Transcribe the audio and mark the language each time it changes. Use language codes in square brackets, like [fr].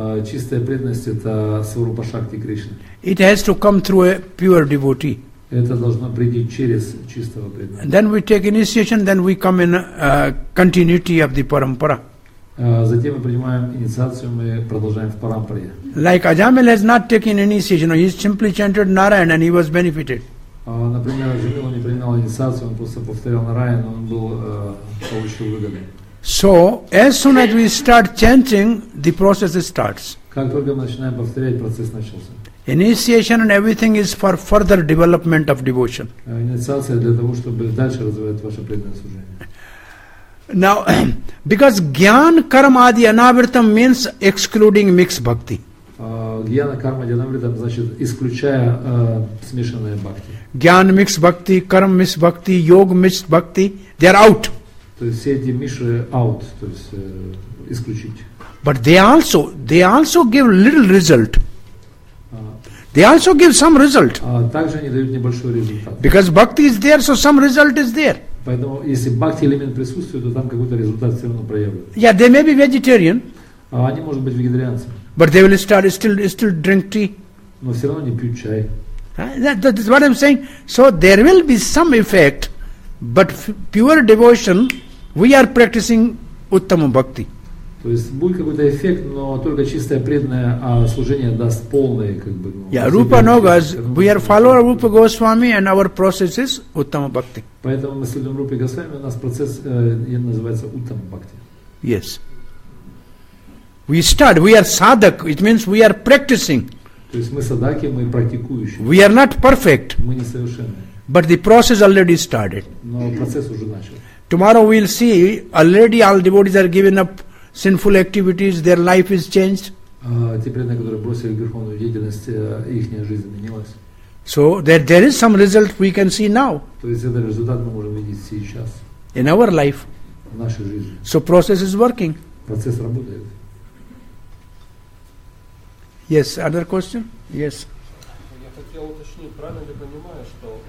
[ru] Чистая преданность это сварупа шакти Кришны. [en] It has to come through a pure devotee. [ru] Это должно прийти через чистого преданного. [en] Then we take initiation, then we come in continuity of the parampara. [ru] Затем мы принимаем инициацию, мы продолжаем в парампаре. [en] Like Ajamil has not taken initiation, he simply chanted Narayan and he was benefited. [ru] Например, Ajamil не принял инициацию, он просто повторял Нараян, он был получил выгоды. [en] So, as soon as we start chanting, the process starts. [ru] Как только мы начинаем повторять, процесс начался. [en] Initiation and everything is for further development of devotion. [ru] Инициация для того, чтобы дальше развивать ваше преданное служение. [en] Now, because [sa] gyan karma adi anavritam [en] means excluding mixed bhakti. [sa] Gyana karma adi anavritam [ru] значит исключая смешанное бхакти. [en] Gyan mixed bhakti, karma mixed bhakti, yoga mixed bhakti, they are out. [ru] То есть все эти миши [en] out, [ru] то есть исключить. [en] But they also give little result. They also give some result. [ru] Также они дают небольшой результат. [en] Because bhakti is there, so some result is there. [ru] Поэтому, если bhakti элемент присутствует, то там какой-то результат все равно проявляется. [en] Yeah, they may be vegetarian. [ru] Они могут быть вегетарианцами. [en] But they will start still drink tea. [ru] Но все равно они пьют чай. [en] That is what I'm saying. So there will be some effect, but pure devotion, we are practicing uttama bhakti. [ru] То есть будет какой-то эффект, но только чистое преданное служение даст полное, как бы. Ну, [en] yeah, Rupa Nogas, we are follower of Rupa Goswami and our process is Uttama Bhakti. [ru] Поэтому мы следуем Рупе Госвами, у нас процесс называется Uttama Bhakti. [en] Yes. We start, we are sadhak, it means we are practicing. [ru] То есть мы садаки, мы практикующие. [en] We are not perfect. [ru] Мы не совершенны. [en] But the process already started. [ru] Но процесс уже начал. [en] Tomorrow we'll see, already all devotees are given up sinful activities, their life is changed. [ru] Те преданные, которые бросили верховную деятельность, их жизнь изменилась. [en] So there is some result we can see now. [ru] То есть этот результат мы можем видеть сейчас. [en] In our life. [ru] В нашей жизни. [en] So process is working. [ru] Процесс работает. [en] Yes, other question? Yes. [ru] Я хотел уточнить, правильно ли понимаю, что...